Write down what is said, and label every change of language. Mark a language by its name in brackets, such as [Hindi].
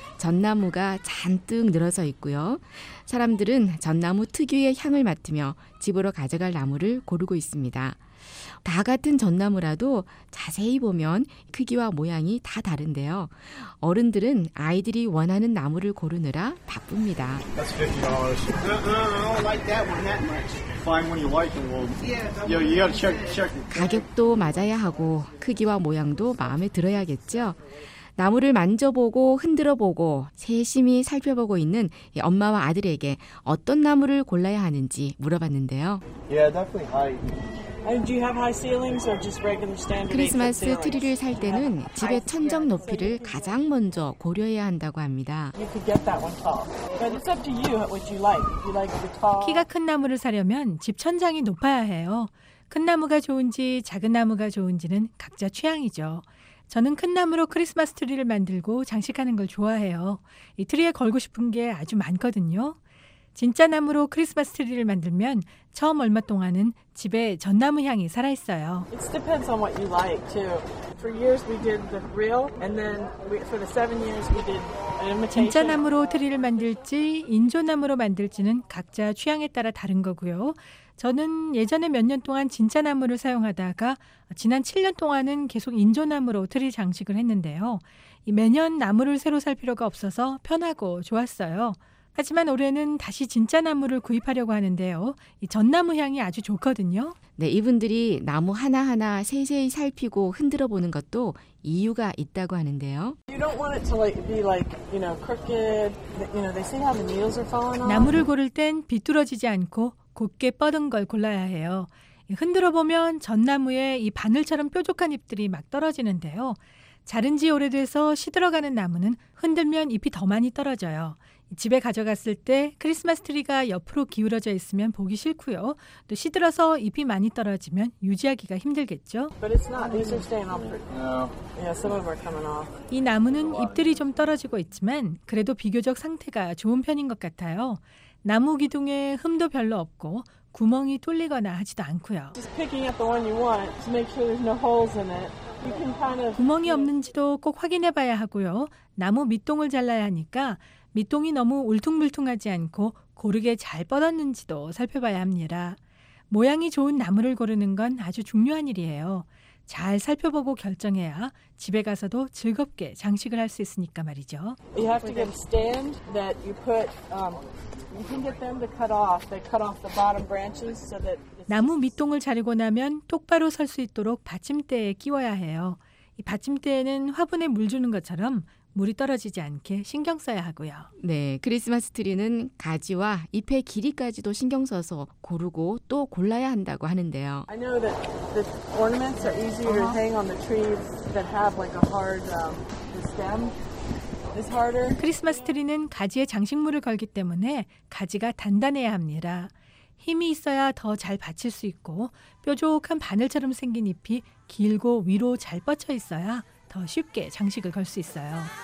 [Korean] 전나무가 잔뜩 늘어서 있고요. 사람들은 전나무 특유의 향을 맡으며 집으로 가져갈 나무를 고르고 있습니다. 다 같은 전나무라도 자세히 보면 크기와 모양이 다 다른데요. 어른들은 아이들이 원하는 나무를 고르느라 바쁩니다. [English] That's $50. I don't like that one that much. Find one you like and we'll check. [Korean] 가격도 맞아야 하고 크기와 모양도 마음에 들어야겠죠. 나무를 만져보고 흔들어보고 세심히 살펴보고 있는 엄마와 아들에게 어떤 나무를 골라야 하는지 물어봤는데요. [English] Yeah, definitely high. And do you have high ceilings or just regular standard? [Korean] 크리스마스 트리를 살 때는 집의 천정 높이를 가장 먼저 고려해야 한다고 합니다. You could get that one tall. But it's up to you what you like. You like the tall. 키가 큰 나무를 사려면 집 천장이 높아야 해요. 큰 나무가 좋은지 작은 나무가 좋은지는 각자 취향이죠. 저는 큰 나무로 크리스마스 트리를 만들고 장식하는 걸 좋아해요. 이 트리에 걸고 싶은 게 아주 많거든요. 진짜 나무로 크리스마스 트리를 만들면 처음 얼마 동안은 집에 전나무 향이 살아 있어요. [English] It depends on what you like too. For years we did the real and then for the 7 years we did an imitation. [Korean] 진짜 나무로 트리를 만들지 인조나무로 만들지는 각자 취향에 따라 다른 거고요. 저는 예전에 몇 년 동안 진짜 나무를 사용하다가 지난 7년 동안은 계속 인조나무로 트리 장식을 했는데요. 매년 나무를 새로 살 필요가 없어서 편하고 좋았어요. 하지만 올해는 다시 진짜 나무를 구입하려고 하는데요. 이 전나무 향이 아주 좋거든요. 네, 이분들이 나무 하나하나 세세히 살피고 흔들어 보는 것도 이유가 있다고 하는데요. [English] You don't want it to like be like, you know, crooked. You know, they see how the needles are falling off. [Korean] 나무를 고를 땐 비뚤어지지 않고 곧게 뻗은 걸 골라야 해요. 흔들어 보면 전나무에 이 바늘처럼 뾰족한 잎들이 막 떨어지는데요. 자른 지 오래돼서 시들어가는 나무는 흔들면 잎이 더 많이 떨어져요. 집에 가져갔을 때 크리스마스 트리가 옆으로 기울어져 있으면 보기 싫고요. 또 시들어서 잎이 많이 떨어지면 유지하기가 힘들겠죠. [English] But it's not, these are staying off. Yeah, some of them are coming off. [Korean] 이 나무는 잎들이 좀 떨어지고 있지만 그래도 비교적 상태가 좋은 편인 것 같아요. 나무 기둥에 흠도 별로 없고 구멍이 뚫리거나 하지도 않고요. [English] Just picking at the one you want to make sure there's no holes in it. [Korean] 구멍이 없는지도 꼭 확인해 봐야 하고요. 나무 밑동을 잘라야 하니까 밑동이 너무 울퉁불퉁하지 않고 고르게 잘 뻗었는지도 살펴봐야 합니다. 모양이 좋은 나무를 고르는 건 아주 중요한 일이에요. 잘 살펴보고 결정해야 집에 가서도 즐겁게 장식을 할 수 있으니까 말이죠. [English] You have to get a stand that you put, you can get them to cut off. They cut off the bottom branches so that [Korean] 나무 밑동을 자르고 나면 똑바로 설 수 있도록 받침대에 끼워야 해요. 이 받침대에는 화분에 물 주는 것처럼 물이 떨어지지 않게 신경 써야 하고요. 네, 크리스마스 트리는 가지와 잎의 길이까지도 신경 써서 고르고 또 골라야 한다고 하는데요. [English] I know that the ornaments are easier to hang on the trees that have like a hard stem. [Korean] 크리스마스 트리는 가지에 장식물을 걸기 때문에 가지가 단단해야 합니다. 힘이 있어야 더 잘 받칠 수 있고 뾰족한 바늘처럼 생긴 잎이 길고 위로 잘 뻗쳐 있어야 더 쉽게 장식을 걸 수 있어요.